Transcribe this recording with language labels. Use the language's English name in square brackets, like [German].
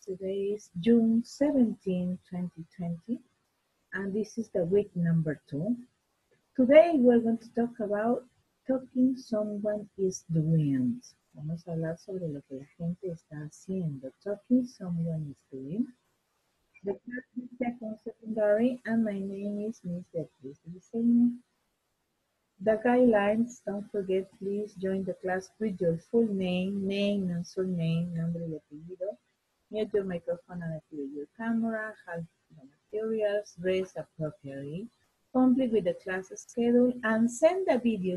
[English] Today is June 17, 2020, and this is the week number two. Today we're going to talk about talking someone is doing. [Spanish] Vamos a hablar sobre lo que la gente está haciendo. [English] Talking someone is doing. The class is second secondary, and my name is Miss Beatriz. The guidelines, don't forget, please join the class with your full name, name and surname, [Spanish] nombre y apellido. [English] Mute your microphone and activate your camera, have the materials, dress appropriately, complete with the class schedule, and send the video.